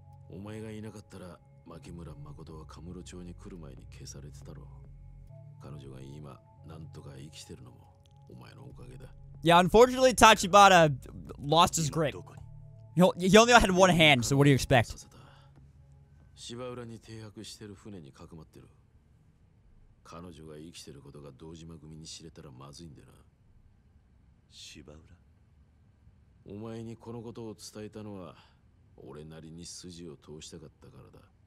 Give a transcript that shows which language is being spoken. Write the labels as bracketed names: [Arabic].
[Japanese] お前がいなかったら、牧村誠はカムロ町に来る前に消されてたろう。彼女が今、なんとか生きてるのも、お前のおかげだ。 [English] Yeah, unfortunately, Tachibana lost his grip. He only had one hand, so what do you expect? [Japanese] シバウラに停泊してる船にかくまってる。彼女が生きてることが堂島組に知れたらまずいんだな。シバウラ、お前にこのことを伝えたのは、俺なりに筋を通したかったからだ。